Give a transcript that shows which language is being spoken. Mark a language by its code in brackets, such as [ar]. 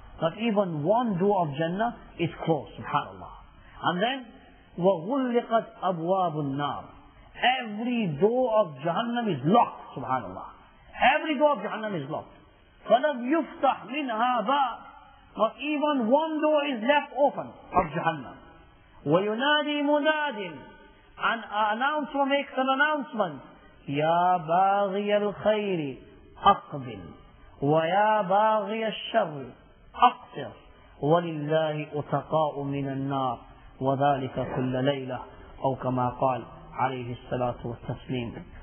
[en] Not even one door of Jannah is closed, subhanAllah. And then, [ar] وَغُلِّقَتْ أَبْوَابُ النَّارِ. [en] Every door of Jahannam is locked, subhanAllah. Every door of Jahannam is locked. [ar] فَلَمْ يُفْتَحْ مِنْهَا بَابٌ. [en] Not even one door is left open of Jahannam. [ar] وَيُنَادِي مُنَادٍ. [en] An announcer makes an announcement. [ar] يَا بَاغِيَ الْخَيْرِ أَقْبِلْ وَيَا بَاغِيَ الشَّرِّ أَقْتِرْ وَلِلَّهِ أُتَقَاءُ مِنَ النَّارِ وَذَلِكَ كُلَّ لَيْلَةٍ أو كما قال عليه الصلاة والتسليم.